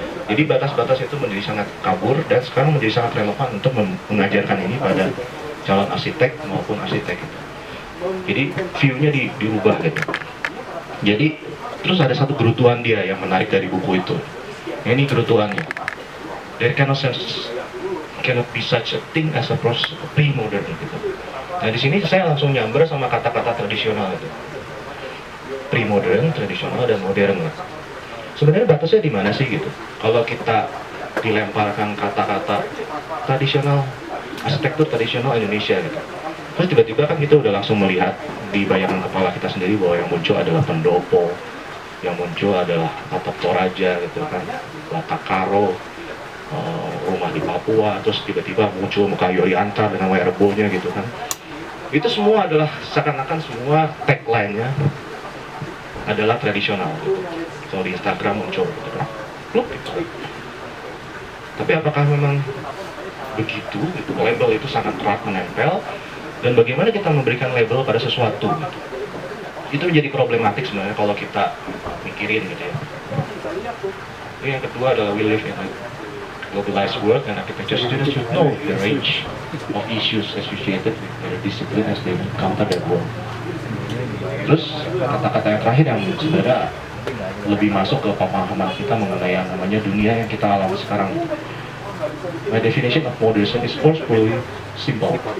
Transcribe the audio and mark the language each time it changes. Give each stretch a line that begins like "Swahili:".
Indonesian: Jadi batas-batas itu menjadi sangat kabur dan sekarang menjadi sangat relevan untuk mengajarkan ini pada calon arsitek maupun arsitek gitu. Jadi view-nya diubah gitu. Jadi terus ada satu gerutuan dia yang menarik dari buku itu. Ini gerutuannya.
English: There cannot sense cannot be such a thing as a pre-modern gitu.
Indonesian: Nah di sini saya langsung nyamber sama kata-kata tradisional itu. Pre-modern, tradisional dan modern. Gitu. Sebenarnya batasnya di mana sih gitu? Kalau kita dilemparkan kata-kata tradisional, arsitektur tradisional Indonesia gitu. Terus tiba-tiba kan kita udah langsung melihat di bayangan kepala kita sendiri bahwa yang muncul adalah pendopo, yang muncul adalah atap Toraja gitu kan, Batak Karo, rumah di Papua, terus tiba-tiba muncul muka Yoyi Antar dengan WR Bull-nya gitu kan. itu semua adalah seakan-akan semua tagline-nya adalah tradisional gitu. Kalau di Instagram muncul gitu. Klub gitu. Tapi apakah memang begitu gitu, label itu sangat erat menempel, dan bagaimana kita memberikan label pada sesuatu gitu. Itu menjadi problematik sebenarnya kalau kita mikirin gitu ya. Ini yang kedua adalah
English: we live in a globalized world and architecture students should know the range of issues associated with their discipline as they encounter their world.
Indonesian: Terus kata-kata yang terakhir yang sebenarnya lebih masuk ke pemahaman kita mengenai yang namanya dunia yang kita alami sekarang.
English: My definition of modernism is forcefully simple.